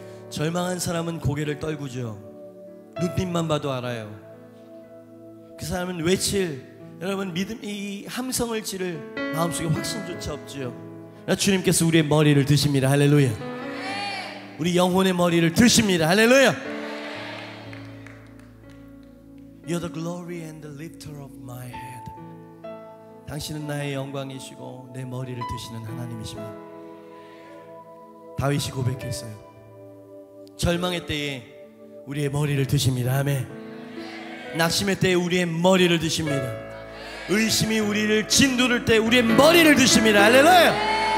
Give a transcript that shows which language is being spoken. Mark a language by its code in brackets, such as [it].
[ko] 절망한 사람은 고개를 떨구죠. 눈빛만 봐도 알아요. 그 사람은 외칠 여러분 믿음 이 함성을 지를 마음속에 확신조차 없죠. 주님께서 우리의 머리를 드십니다. 할렐루야. 우리 영혼의 머리를 드십니다. 할렐루야. [en] You're the glory and the lifter of my head. [ko] 당신은 나의 영광이시고 내 머리를 드시는 하나님이시며 다윗이 고백했어요. 절망의 때에 우리의 머리를 드십니다. 아멘. 낙심의 때에 우리의 머리를 드십니다. 의심이 우리를 짓누를 때 우리의 머리를 드십니다. 할렐루야.